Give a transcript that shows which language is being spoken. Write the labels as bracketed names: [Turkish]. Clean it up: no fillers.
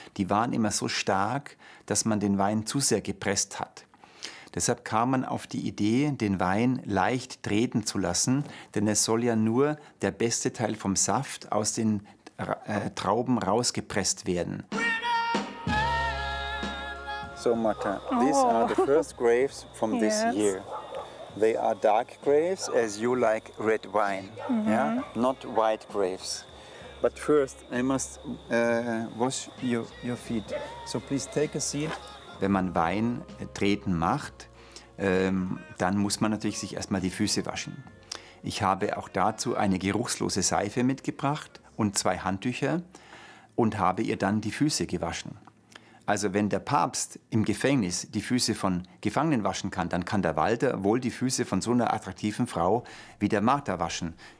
[German] Die waren immer so stark, dass man den Wein zu sehr gepresst hat. Deshalb kam man auf die Idee, den Wein leicht treten zu lassen, denn es soll ja nur der beste Teil vom Saft aus den Trauben rausgepresst werden. [English] So, Martha, these are the first grapes from this year. They are dark grapes, as you like red wine, yeah? Not white grapes. But first, I must wash your feet. So please take a seat. [German] Wenn man Wein treten macht, dann muss man natürlich sich erstmal die Füße waschen. Ich habe auch dazu eine geruchslose Seife mitgebracht und zwei Handtücher und habe ihr dann die Füße gewaschen. Also wenn der Papst im Gefängnis die Füße von Gefangenen waschen kann, dann kann der Walter wohl die Füße von so einer attraktiven Frau wie der Martha waschen.